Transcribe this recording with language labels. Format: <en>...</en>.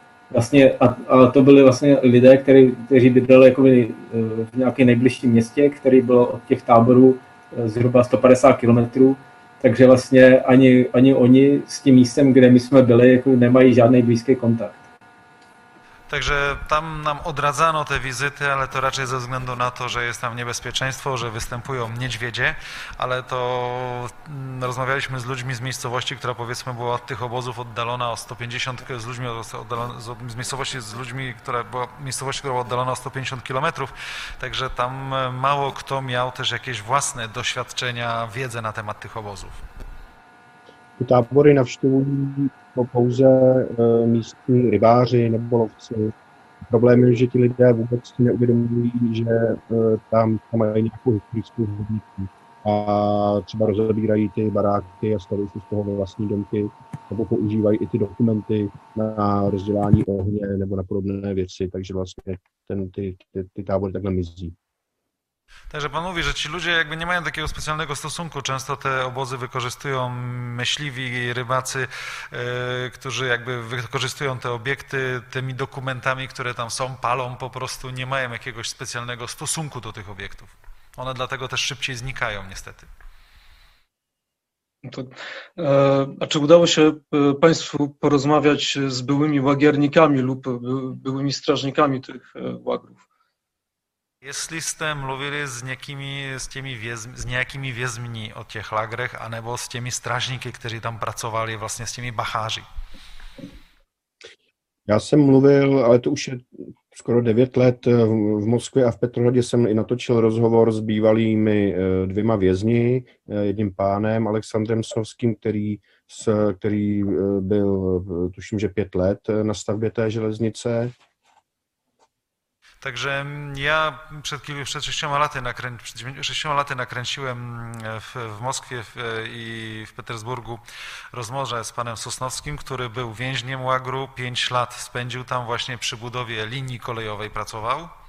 <cs>Vlastně, a to byli vlastně lidé, kteří bydleli jakoby v nějakém nejbližším městě, který bylo od těch táborů zhruba 150 kilometrů, takže vlastně ani oni s tím místem, kde my jsme byli, jako nemají žádný blízký kontakt. Takže tam nám</cs> <pl>odradzano te vizity, ale to raczej ze względu na to, že jest tam niebezpieczeństwo, že występują niedźwiedzie, ale to rozmawialiśmy z ludźmi z miejscowości, która powiedzmy była od tych obozów oddalona o 150 km, z miejscowości, która była oddalona o 150 km, także tam mało kto miał też jakieś własne doświadczenia, wiedzę na temat tych obozów.</pl> <cs>Tábory navštěvují pouze místní rybáři nebo lovci. Problém je, že ti lidé vůbec neuvědomují, že tam mají nějakou historickou hodnotu. A třeba rozebírají ty baráky a stavují si z toho vlastní domky, nebo používají i ty dokumenty na rozdělání ohně nebo na podobné věci, takže vlastně ty tábory takhle mizí.</cs> <pl>Także pan mówi, że ci ludzie jakby nie mają takiego specjalnego stosunku. Często te obozy wykorzystują myśliwi i rybacy, którzy jakby wykorzystują te obiekty tymi dokumentami, które tam są, palą po prostu, nie mają jakiegoś specjalnego stosunku do tych obiektów. One dlatego też szybciej znikają niestety. A czy udało się państwu porozmawiać z byłymi łagiernikami lub byłymi strażnikami tych łagrów?</pl> <cs>Jestli jste mluvili s nějakými vězmi o těch lagrech, anebo s těmi strážníky, kteří tam pracovali, vlastně s těmi bacháři? Já jsem mluvil, ale to už je skoro 9 let, v Moskvě a v Petrohradě jsem i natočil rozhovor s bývalými dvěma vězni, jedním pánem Alexandrem Sovským, který byl, tuším, že 5 let na stavbě té železnice.</cs> <pl>Także ja przed 6 laty, nakręciłem w Moskwie i w Petersburgu rozmowę z panem Sosnowskim, który był więźniem łagru, 5 lat spędził tam, właśnie przy budowie linii kolejowej pracował.</pl>